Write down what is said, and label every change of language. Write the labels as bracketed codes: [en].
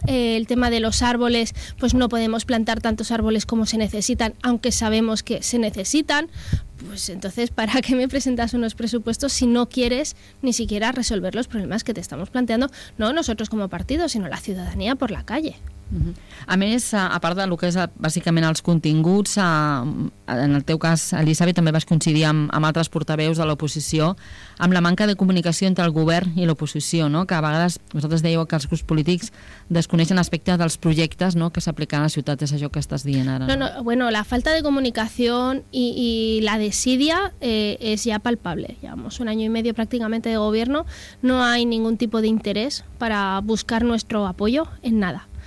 [es] El tema de los árboles, pues no podemos plantar tantos árboles como se necesitan, aunque sabemos que se necesitan. Pues entonces, ¿para qué me presentas unos presupuestos si no quieres ni siquiera resolver los problemas que te estamos planteando? No nosotros como partido, sino la ciudadanía por la calle. [ca] A més, a part del que és bàsicament els continguts, en el teu cas, Elisabet, també vas coincidir amb altres portaveus de l'oposició, amb la manca de comunicació entre el govern i l'oposició, no? Que a vegades vosaltres dèieu que els grups polítics desconeixen l'aspecte dels projectes, no?, que s'apliquen a la ciutat, és això que estàs dient ara. No, bueno, la falta de comunicació i la desídia és ja palpable. [es] Llevamos un año y medio prácticamente de gobierno, no hay ningún tipo de interés para buscar nuestro apoyo en nada.